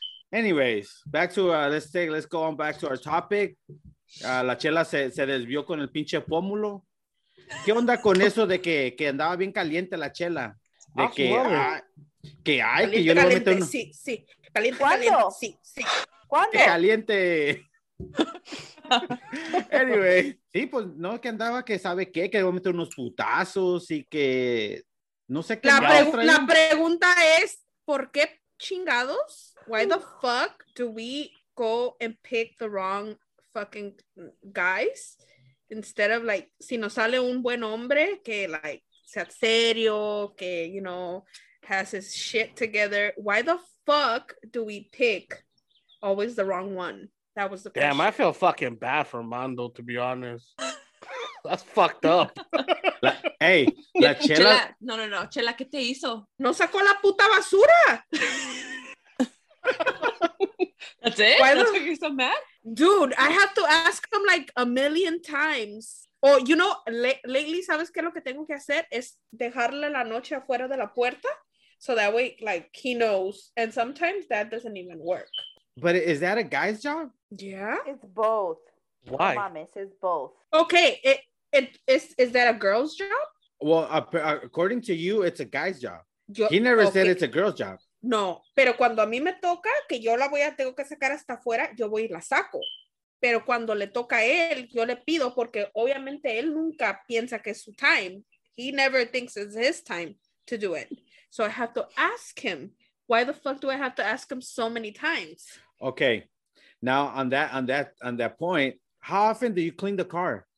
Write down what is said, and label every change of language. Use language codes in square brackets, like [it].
[en] Anyways, back to, let's go on back to our topic. [es] La Chela se desvió con el pinche pómulo. ¿Qué onda con eso de que andaba bien caliente la Chela? de que que hay que yo le voy a meter uno. Sí, sí. Caliente, caliente. Sí, sí. ¿Cuándo? Caliente. Anyway, sí, pues no, que andaba que sabe qué, que le voy a meter unos putazos y que no sé qué. La pregunta es, ¿por qué chingados? [en] Why the fuck do we go and pick the wrong fucking guys? Instead of like, [es] si nos sale un buen hombre que [en] like [es] sea serio, que, [en] you know, has his shit together, why the fuck do we pick always the wrong one? That was the question. Damn, I feel fucking bad for Mando, to be honest. That's fucked up. [es] Hey, la chela. No, no, no. Chela, ¿qué te hizo? No sacó la puta basura. [en] That's it? Why that's the... you're so mad? Dude, I have to ask him like a million times. Oh, you know, lately, [es] ¿sabes qué es lo que tengo que hacer? Es dejarle la noche afuera de la puerta. [en] So that way, like, he knows. And sometimes that doesn't even work. But is that a guy's job? Yeah. It's both. Why? Mames, it's both. Okay. Is that a girl's job? Well, according to you, it's a guy's job. He never said it's a girl's job. [es] No, pero cuando a mí me toca, que yo la voy a tengo que sacar hasta afuera, yo voy y la saco. Pero cuando le toca a él, yo le pido, porque obviamente él nunca piensa que es su time. [en] He never thinks it's his time to do it. So I have to ask him, why the fuck do I have to ask him so many times? Okay, now on that point, how often do you clean the car?